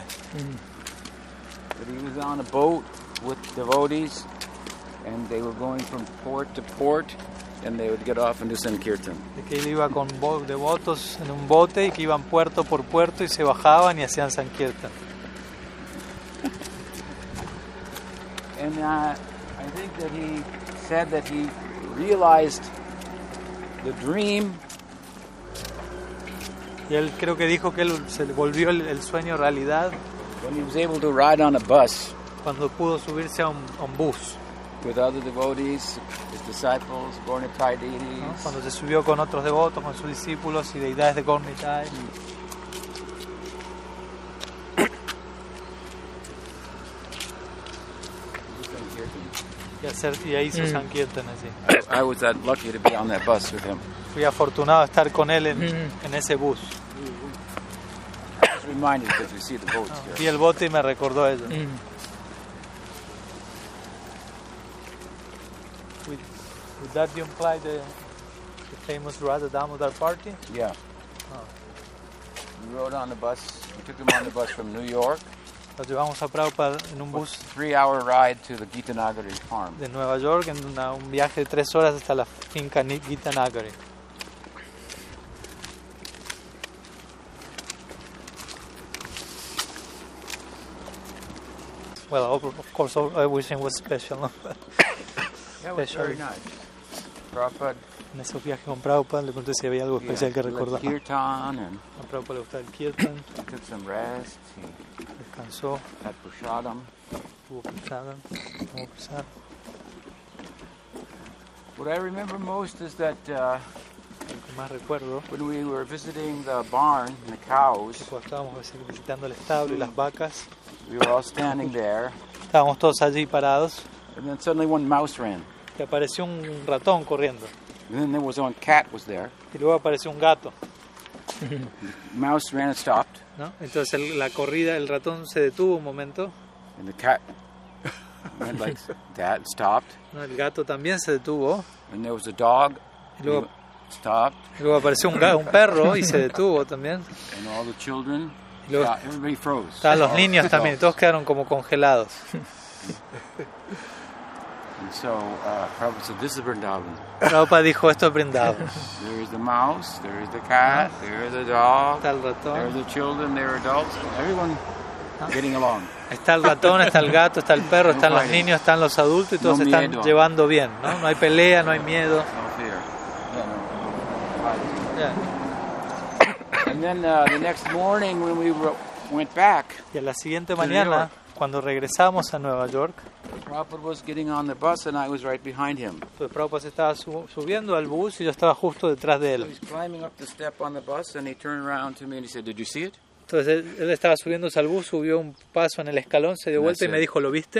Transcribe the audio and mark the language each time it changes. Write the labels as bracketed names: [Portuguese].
[English] That he was on a boat with devotees, and they were going from port to port, and they would get off and do sankirtan. [Spanish] De que él iba con devotos en un bote y que iban puerto por puerto y se bajaban y hacían sankirtan. [English] And I think that he said that he realized the dream. [Spanish] Y él creo que dijo que él se volvió el sueño realidad. [English] When he was able to ride on a bus. [Spanish] Cuando pudo subirse a un bus. [English] With other devotees, his disciples, Gornitai deities. [Spanish] ¿No? Cuando se subió con otros devotos, con sus discípulos y deidades de Gornitai. Y ahí hizo sankirtan así. [English] I was that lucky to be on that bus with him. [Spanish] Fui afortunado de estar con él en ese bus. [English] Reminded because we see the boats here. [Spanish] Vi el bote y me recordó eso. [English] Would that imply the famous Radha Damodar party? Yeah. Oh. We rode on the bus. We took him on the bus from New York. [Spanish] Nos llevamos a Prabhupada en un bus. [English] 3-hour ride to the Gita Nagari farm. [Spanish] De Nueva York en un viaje de 3 horas hasta la finca Gita Nagari. [English] Well, of course, everything was special. Special. Yeah, very nice. Prabhupada. [Spanish] En ese viaje con Prabhupada, le pregunté si había algo especial que recordaba. [English] Kirtan. [Spanish] A Prabhupada le gustaba el kirtan. [English] He took some rest. He [Spanish] descansó. [English] Had prasadam. [Spanish] Tuvo prasadam. Tuvo prasadam. [English] What I remember most is that. [Spanish] Lo que más recuerdo. [English] When we were visiting the barn and the cows. [Spanish] Cuando estábamos visitando el establo y las vacas. [English] We were all standing there. [Spanish] Estábamos todos allí parados. [English] And then suddenly one mouse ran. [Spanish] Y apareció un ratón corriendo. [English] And then there was one cat was there. [Spanish] Y luego apareció un gato. [English] The mouse ran and stopped. [Spanish] ¿No? Entonces la corrida, el ratón se detuvo un momento. [English] And the cat went like that and stopped. [Spanish] No, el gato también se detuvo. [English] And there was a dog. [Spanish] Y luego, [English] stopped. [Spanish] Y luego apareció un perro y se detuvo también. [English] And all the children. [Spanish] Luego, [English] yeah, everybody froze. [Spanish] Estaban los niños también, todos quedaron como congelados. [English] And so, Prabhupada said, "This is Vrindavan." [Spanish] Prabhupada dijo, "Esto es Vrindavan." [English] There is the mouse, there is the cat, there is the dog. [Spanish] Está el ratón. [English] There are the children, there are adults, everyone getting along. [Spanish] Está el ratón, está el gato, está el perro, están los niños, están los adultos, y todos se están llevando bien, ¿no? No hay pelea, no hay miedo. [English] No fear. And then the next morning when we went back. [Spanish] Y a la siguiente mañana cuando regresamos a Nueva York. [English] Prabhupada was getting on the bus and I was right behind him. [Spanish] Pues Prabhupada estaba subiendo al bus y yo estaba justo detrás de él. [English] So he's climbing up the step on the bus and he turned around to me and he said, "Did you see it?" [Spanish] Entonces él estaba subiendo al bus, subió un paso en el escalón, se dio vuelta y me dijo, "¿Lo viste?"